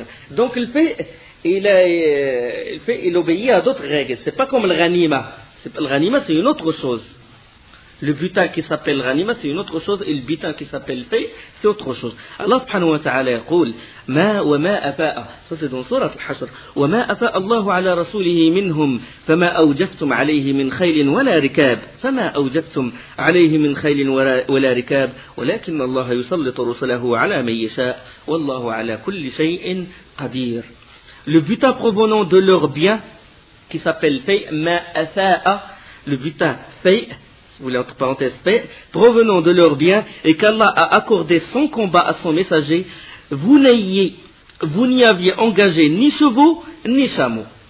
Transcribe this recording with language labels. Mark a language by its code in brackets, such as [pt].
[fr] Donc, le fait, il obéit à d'autres règles. C'est pas comme le ranima. Le ranima, c'est une autre chose. Le butin qui s'appelle Ranima, c'est une autre chose, et le butin qui s'appelle Fay, c'est autre chose. [ar] Allah subhanahu wa ta'ala قول ما وما أفاء. [fr] Ça c'est dans sourate Al-Hashr. [ar] وما أفاء الله على رسوله منهم فما أوجفتم عليه من خيل ولا ركاب فما أوجفتم عليه من خيل ولا ركاب ولكن الله يسلط رسله على من يشاء والله على كل شيء قدير. [fr] Le butin provenant de leur bien qui s'appelle Fay, [ar] ما أفاء, [fr] le butin Fay, vous voulez entre parenthèses, fait, provenant de leur bien, et qu'Allah a accordé son combat à son messager, vous n'y aviez engagé ni chevaux, ni chameaux.